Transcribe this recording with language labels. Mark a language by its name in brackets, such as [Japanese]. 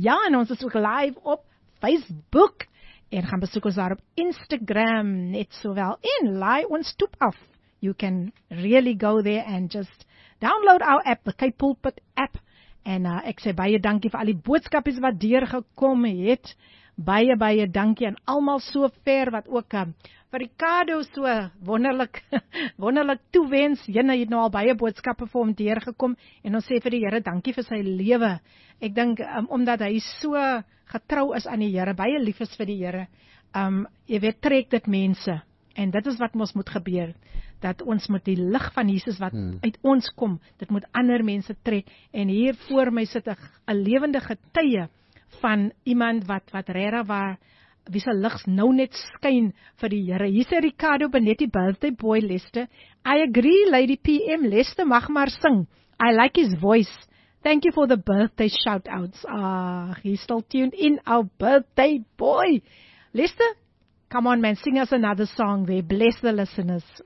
[Afrikaans] Ja, en ons is ook live op Facebook. En gaan besoek ons daar op Instagram net sowel. En laai ons stoep af. [English] You can really go there and just download our app, the Cape Pulpit app. [Afrikaans] En ek sê baie dankie vir al die boodskapies wat deurgekom het. Baie, baie dankie aan almal so ver wat ook vir Ricardo so wonderlik, wonderlik toewens. Jyne het nou al baie boodskappe vir hom deurgekom. En ons sê vir die Here dankie vir sy lewe. Ek dink omdat hy so getrou is aan die Here, baie lief is vir die Here. Jy weet, trek dit mense. En dit is wat ons moet gebeur. Dat ons met die lig van Jesus wat uit ons kom, dit moet ander mense trek. En hier voor my sit 'n lewende getuie van iemand wat regtig waar wie se lig nou net skyn vir die Here. Hier is Ricardo Benetti, birthday boy Lester. [English] I agree, Lady PM, Lester [Afrikaans] mag maar sing. [English] I like his voice. Thank you for the birthday shout outs. Ah, he's still tuned in, our birthday boy. Lester, come on man, sing us another song there. Bless the listeners.